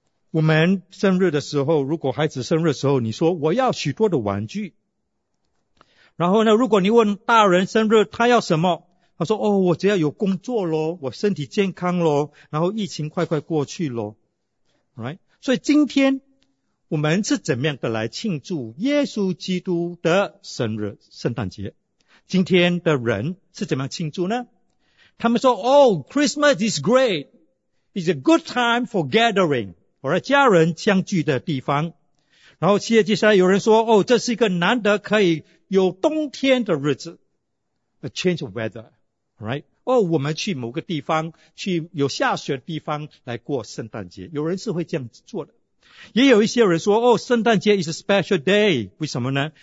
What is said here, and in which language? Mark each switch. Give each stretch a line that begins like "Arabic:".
Chinese: 我们生日的时候，如果孩子生日的时候，你说我要许多的玩具，然后呢，如果你问大人生日他要什么，他说哦，我只要有工作咯，我身体健康咯，然后疫情快快过去咯。
English: Right?
Chinese: 所以今天我们是怎么样的来庆祝耶稣基督的生日，圣诞节？今天的人是怎么样庆祝呢？他们说
English: Oh, Christmas is great. It's a good time for gathering. Alright,
Chinese: 家人相聚的地方。然后接下来有人说 Oh, 这是一个难得可以有冬天的日子。
English: A change of weather. Alright?
Chinese: Oh, 我们去某个地方，去有下雪的地方来过圣诞节。有人是会这样子做的。也有一些人说哦，圣诞节
English: is a special day，
Chinese: 为什么呢？